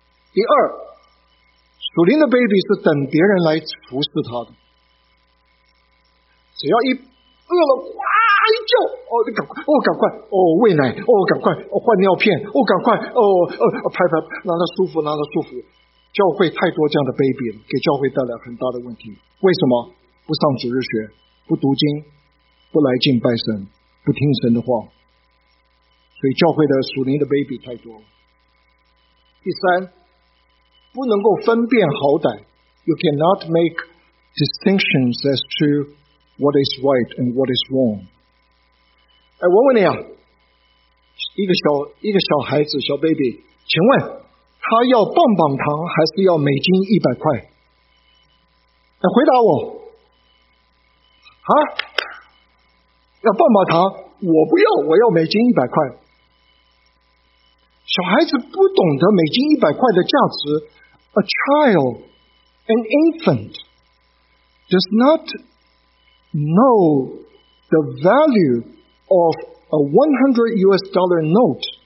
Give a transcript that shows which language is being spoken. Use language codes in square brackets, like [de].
[zh] 第二，属灵的 baby 是等别人来服侍他的，只要一饿了，哇一叫，哦赶快，哦赶快，哦喂奶，哦赶快，哦换尿片，哦赶快，哦拍拍，让他舒服，让他舒服。教会太多这样的 baby 了，给教会带来很大的问题。为什么不上主日学，不读经，不来敬拜神，不听神的话？所以教会的属灵的 baby 太多了。第三，不能够分辨好歹， [en] You cannot make distinctions as to what is right and what is wrong。 [zh] 哎，我问你啊，一个小孩子小 baby， 请问他要棒棒糖还是要美金100块？回答我，啊，要棒棒糖，我不要，我要美金一百块。小孩子不懂得美金一百块的价值。 [en] A child, an infant, does not know the value of a 100 US dollar note.